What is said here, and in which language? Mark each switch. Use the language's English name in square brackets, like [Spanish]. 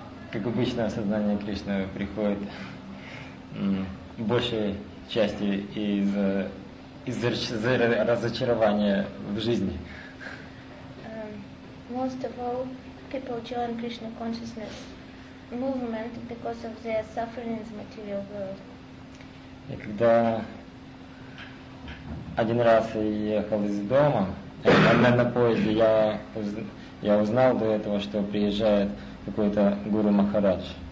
[Russian] Как обычно, сознание Кришны приходит большей части из разочарования в жизни. [English] Most of all, people join Krishna consciousness movement because of their suffering in the material world. [Russian] И когда один раз я ехал из дома, на поезде, я узнал до этого, что приезжает какой-то Гуру Махарадж.